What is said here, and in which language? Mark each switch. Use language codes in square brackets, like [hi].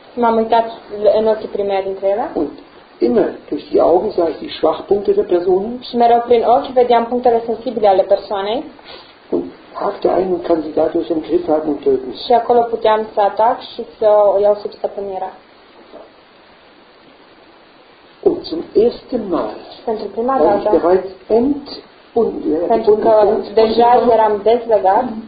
[ro] M-am uitat în ochii primei dintre ele. [de] Und immer durch die Augen sah ich die Schwachpunkte der Personen. [ro] Și mereu prin ochi vedeam punctele sensibile ale persoanei. [de] Und hakte ein und kann sie dadurch im Griff halten und töten. [ro] Și acolo puteam să atac și să o iau sub stăpânirea. [de] Und zum ersten Mal. [ro] Pentru prima dată. [de] Bereits end. [ro] Pentru că deja eram dezlegat.